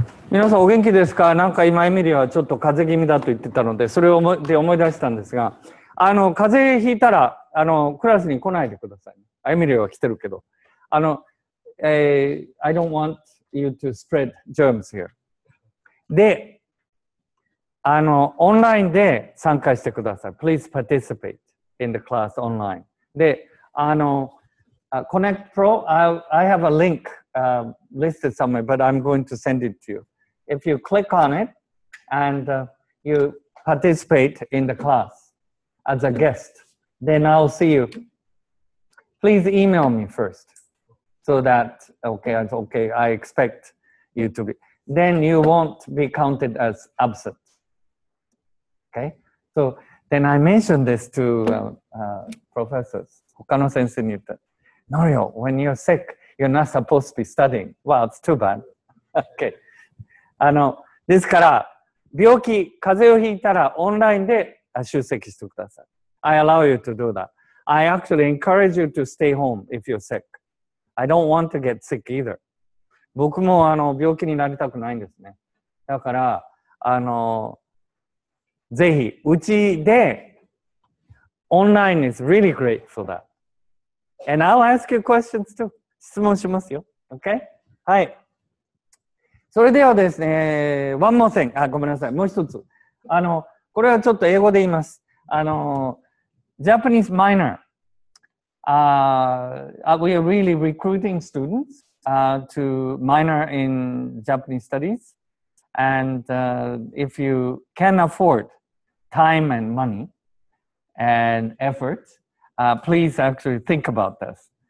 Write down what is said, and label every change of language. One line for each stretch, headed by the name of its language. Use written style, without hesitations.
Japanese: 皆さんお元気ですか？なんか今エミリーはちょっと風邪気味だと言ってたので、それを思い出したんですが、風邪ひいたら、クラスに来ないでください。エミリーは来てるけど。
English: I don't want you to spread germs here.
Japanese: で、オンラインで参加してください。
English: Please participate in the class online. で、Connect Pro, I have a link, listed somewhere, but I'm going to send it to you. If you click on it and you participate in the class as a guest, then I'll see you. Please email me first so that, okay, I expect you to be. Then you won't be counted as absent. Okay? So then I mentioned this to professors.
Japanese: 他の先生に言った。
English: Norio, when you're sick, you're not supposed to be studying. Well, it's too bad. Okay.
Japanese: ですから、病気、風邪をひいたら、オンラインで出席してください。
English: I allow you to do that. I actually encourage you to stay home if you're sick. I don't want to get sick either.
Japanese: 僕も病気になりたくないんですね。だから、ぜひ、うちで、オンライン
English: is really great for that. And I'll ask you questions too.
Japanese: 質問しますよ。
English: Okay? はい。
Japanese: それではですね、
English: one more thing.
Japanese: あ、ごめんなさい。もう一つ。これはちょっと英語で言います。
English: Japanese minor. We are really recruiting students, to minor in Japanese studies. And, if you can afford time and money and effort, please actually think about this.